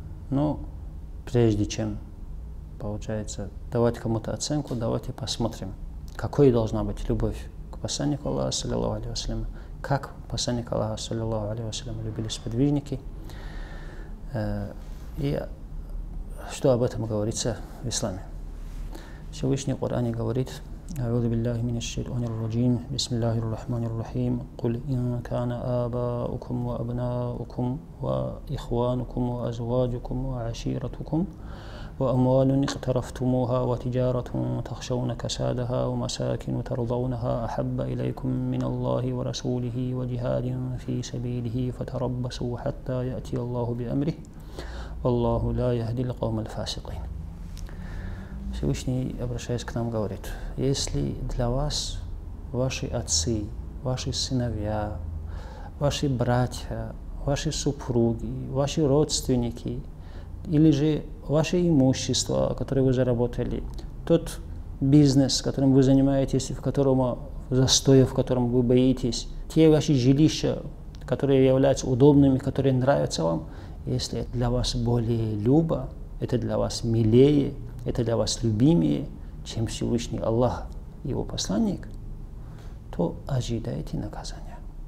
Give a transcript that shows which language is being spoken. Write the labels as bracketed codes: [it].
[ru] Но прежде чем, получается, давать кому-то оценку, давайте посмотрим, какой должна быть любовь к посланнику Аллаха, саллиллаху алейхи ва саллям, как посланник Аллаха, саллиллаху алейхи ва саллям, любили сподвижники. И что об этом говорится в исламе. Всевышний Коран говорит: [ar] أعوذ بالله من الشيطان الرجيم بسم الله الرحمن الرحيم قل إن كان آباؤكم وأبناؤكم وإخوانكم وأزواجكم وعشيرتكم وأموال اقترفتموها وتجارة تخشون كسادها ومساكن ترضونها أحب إليكم من الله ورسوله وجهاد في سبيله فتربصوا حتى يأتي الله بأمره والله لا يهدي القوم الفاسقين. [ru] Всевышний, обращаясь к нам, говорит: если для вас ваши отцы, ваши сыновья, ваши братья, ваши супруги, ваши родственники или же ваше имущество, которое вы заработали, тот бизнес, которым вы занимаетесь, в котором застоя, в котором вы боитесь, те ваши жилища, которые являются удобными, которые нравятся вам, если это для вас более любо, это для вас милее, это для вас любимее, чем Всевышний Аллах и его посланник, то ожидайте наказания.